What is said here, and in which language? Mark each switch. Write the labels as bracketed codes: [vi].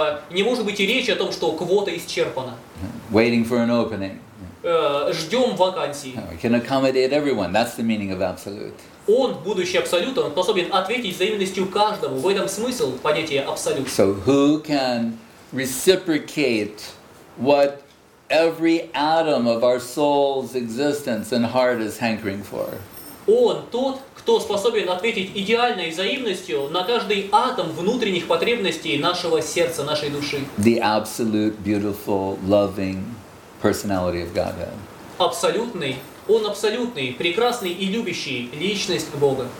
[ru] Не может быть и речи о том, что квота исчерпана. [en] Waiting for an opening. [ru] Ждем вакансии. [en] Can accommodate everyone. That's the meaning of absolute. [ru] Он, будущий абсолют, он способен ответить взаимностью каждому. В этом смысл понятия абсолют. [en] So who can reciprocate what every atom of our soul's existence and heart is hankering for? [ru] Он тот, кто способен ответить идеальной взаимностью на каждый атом внутренних потребностей нашего сердца, нашей души. [en] The absolute, beautiful, loving personality of Godhead. [ru] Абсолютный, он абсолютный, прекрасный и любящий личность Бога.